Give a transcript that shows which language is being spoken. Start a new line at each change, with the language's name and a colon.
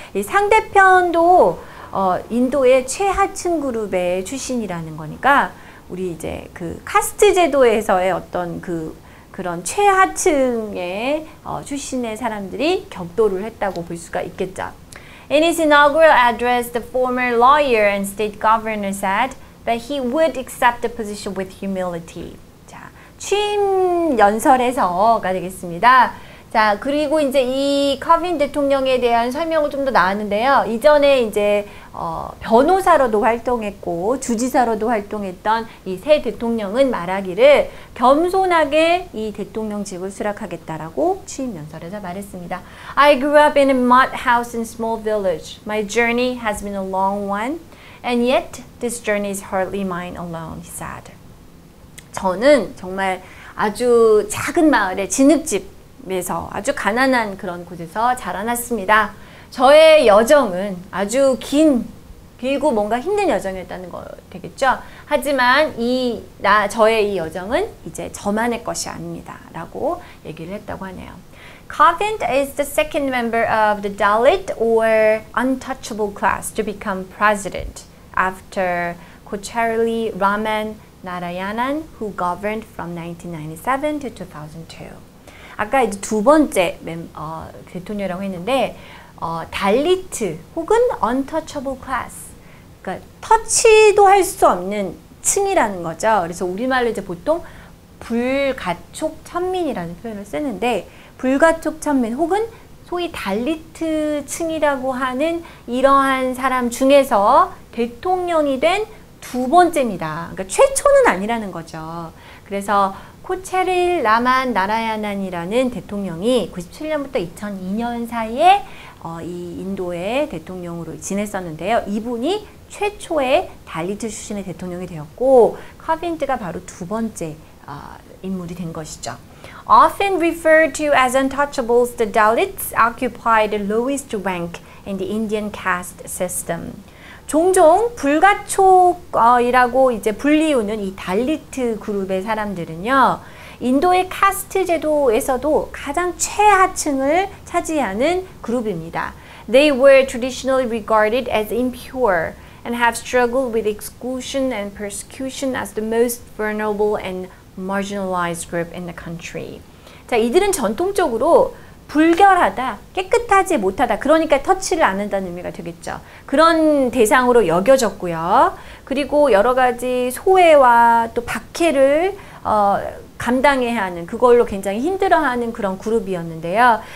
Korean: 이 상대편도 인도의 최하층 그룹의 출신이라는 거니까 우리 이제 그 카스트 제도에서의 어떤 그런 최하층의 출신의 사람들이 격돌을 했다고 볼 수가 있겠죠.
English: In his inaugural address, the former lawyer and state governor said that he would accept the position with humility.
Korean: 취임 연설에서가 되겠습니다. 자, 그리고 이제 이 커빈 대통령에 대한 설명을 좀 더 나왔는데요. 이전에 이제 변호사로도 활동했고 주지사로도 활동했던 이 새 대통령은 말하기를 겸손하게 이 대통령직을 수락하겠다라고 취임 연설에서 말했습니다.
English: I grew up in a mud house in small village. My journey has been a long one, and yet this journey is hardly mine alone, he said.
Korean: 저는 정말 아주 작은 마을의 진흙집에서 아주 가난한 그런 곳에서 자라났습니다. 저의 여정은 아주 길고 뭔가 힘든 여정이었다는 거 되겠죠. 하지만 저의 이 여정은 이제 저만의 것이 아닙니다. 라고 얘기를 했다고 하네요.
English: Kovind is the second member of the Dalit or untouchable class to become president after Kocharli Raman Narayanan, who governed from 1997 to 2002.
Korean: 아까 이제 두 번째 대통령이라고 했는데 달리트 혹은
English: untouchable class,
Korean: 그러니까 터치도 할 수 없는 층이라는 거죠. 그래서 우리말로 이제 보통 불가촉 천민이라는 표현을 쓰는데, 불가촉 천민 혹은 소위 달리트 층이라고 하는 이러한 사람 중에서 대통령이 된 두 번째입니다. 그러니까 최초는 아니라는 거죠. 그래서 코체릴 라만 나라야난이라는 대통령이 97년부터 2002년 사이에 이 인도의 대통령으로 지냈었는데요. 이분이 최초의 달리트 출신의 대통령이 되었고, 카빈트가 바로 두 번째 인물이 된 것이죠.
English: Often referred to as untouchables, the Dalits occupy the lowest rank in the Indian caste system.
Korean: 종종 불가촉이라고 이제 불리우는 이 달리트 그룹의 사람들은요, 인도의 카스트 제도에서도 가장 최하층을 차지하는 그룹입니다.
English: They were traditionally regarded as impure and have struggled with exclusion and persecution as the most vulnerable and marginalized group in the country.
Korean: 자, 이들은 전통적으로 불결하다, 깨끗하지 못하다, 그러니까 터치를 안 한다는 의미가 되겠죠. 그런 대상으로 여겨졌고요. 그리고 여러 가지 소외와 또 박해를 감당해야 하는, 그걸로 굉장히 힘들어하는 그런 그룹이었는데요.